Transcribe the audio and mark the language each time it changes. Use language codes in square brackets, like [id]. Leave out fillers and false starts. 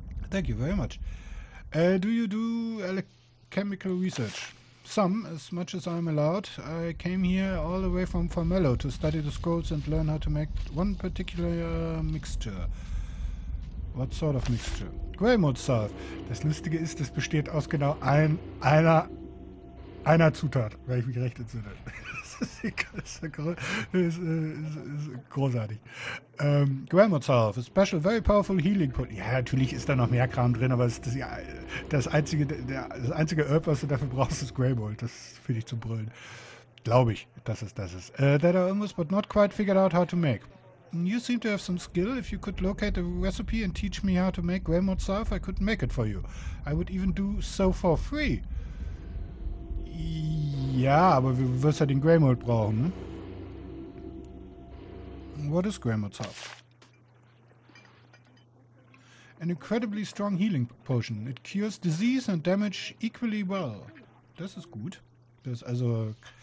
[en] Thank you very much. Do you do chemical research? Some, as much as I'm allowed. I came here all the way from Formello to study the scrolls and learn how to make one particular mixture. What sort of mixture? Greymouth salve. [de] Das Lustige ist, es besteht aus genau einer Zutat, wenn ich mich recht entsinne. Das ist großartig. [en] Greymouth salve, a special, very powerful healing potion. [de] Ja, natürlich ist da noch mehr Kram drin, aber das einzige Herb, was du dafür brauchst, ist Greymouth. Das finde ich zum Brüllen. Glaube ich, dass es das ist. [en] That I almost but not quite figured out how to make. You seem to have some skill. If you could locate a recipe and teach me how to make Greymouth salve, I could make it for you. I would even do so for free. [de] Ja, aber wir wirst ja den Greymouth brauchen, ne? [en] What is Greymouth salve? An incredibly strong healing potion. It cures disease and damage equally well. [de] Das ist gut. Das ist also...